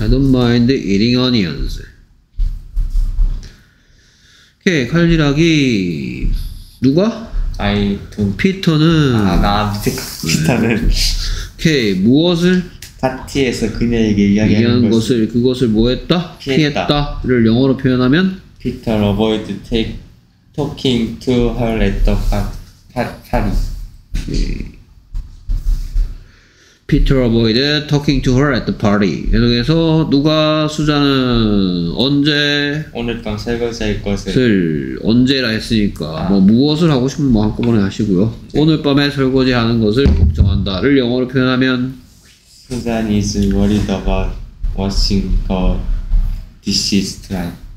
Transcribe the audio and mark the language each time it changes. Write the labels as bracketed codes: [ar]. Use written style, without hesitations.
[en] I don't mind eating onions. [ko] 오케이. 칼질하기 누가? [en] I don't. [ko] 피터는? 아, 나 밑에 피터는. 오케이. 무엇을? 파티에서 그녀에게 이야기한 것을 그것을 뭐 했다? 피했다 를 영어로 표현하면? [en] Peter avoid talking to her at the party. Peter avoid talking to her at the party. [ko] 계속해서 누가 수잔은 언제 오늘 밤 새벽에 할 것을 슬, 언제라 했으니까 아. 뭐 무엇을 하고 싶으면 뭐 한꺼번에 하시고요. 네. 오늘 밤에 설거지하는 것을 걱정한다 를 영어로 표현하면 [en] Susan is worried about washing the dishes tonight.